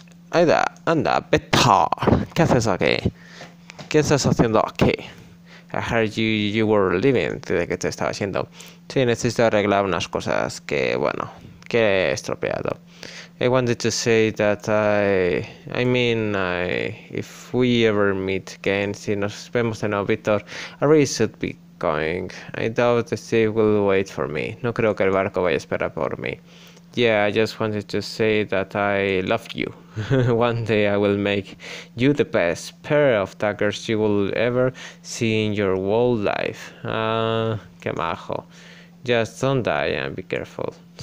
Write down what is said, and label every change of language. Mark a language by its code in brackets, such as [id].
[es] Aida, anda, vete. ¿Qué haces aquí? ¿Qué estás haciendo aquí? [en] I heard you were leaving, [es] desde que te estaba haciendo. Sí, necesito arreglar unas cosas que, bueno, que he estropeado. [en] I wanted to say that if we ever meet again, [es] si nos vemos de nuevo, [en] Víctor, I really should be going. I doubt the sea will wait for me. [es] No creo que el barco vaya a esperar por mí. [en] Yeah, I just wanted to say that I love you. One day I will make you the best pair of daggers you will ever see in your whole life. [es] Ah, qué majo. [en] Just don't die and be careful.